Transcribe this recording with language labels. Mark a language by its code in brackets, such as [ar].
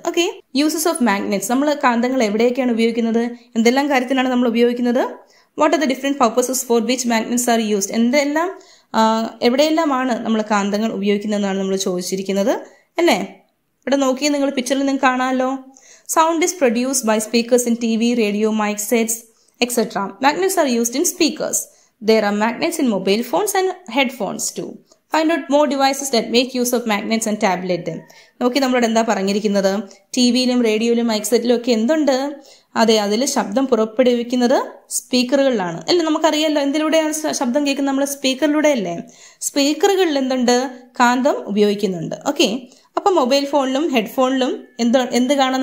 [ml] Okay, [en] uses of magnets, [ml] നമ്മൾ കാന്തങ്ങൾ എവിടെയൊക്കെയാണ് ഉപയോഗിക്കുന്നത്, എന്തെല്ലാം കാര്യത്തിനാണ് നമ്മൾ ഉപയോഗിക്കുന്നത്? [en] What are the different purposes for which magnets are used? [ml] എന്തെല്ലാം എവിടെയെല്ലാമാണ് നമ്മൾ കാന്തങ്ങൾ ഉപയോഗിക്കുന്നതെന്നാണ് നമ്മൾ ചോദിച്ചിരിക്കുന്നത് അല്ലേ. ഇവിടെ നോക്കി, നിങ്ങൾ പിക്ചറിൽ നിന്ന് കാണാമല്ലോ. [en] Sound is produced by speakers in TV, radio, mic sets, etc. Magnets are used in speakers. There are magnets in mobile phones and headphones too. Find out more devices that make use of magnets and tablet them. [ml] നോക്കി, നമ്മളോട് എന്താ പറഞ്ഞിരിക്കുന്നത്? ടിവിയിലും റേഡിയോയിലും mic സെറ്റിലും ഒക്കെ എന്തുണ്ട്? അതെ, അതിൽ ശബ്ദം പുറപ്പെടുവിക്കുന്നത് സ്പീക്കറുകളിലാണ്. അല്ലേ, നമുക്കറിയാമല്ലോ എന്തിലൂടെയാണ് ശബ്ദം കേൾക്കുന്നത്? നമ്മൾ സ്പീക്കറിലൂടെ അല്ലേ. സ്പീക്കറുകളിൽ എന്തുണ്ട്? കാന്തം ഉപയോഗിക്കുന്നുണ്ട്. ഓക്കെ, അപ്പൊ മൊബൈൽ ഫോണിലും ഹെഡ്ഫോണിലും എന്ത് കാണാം?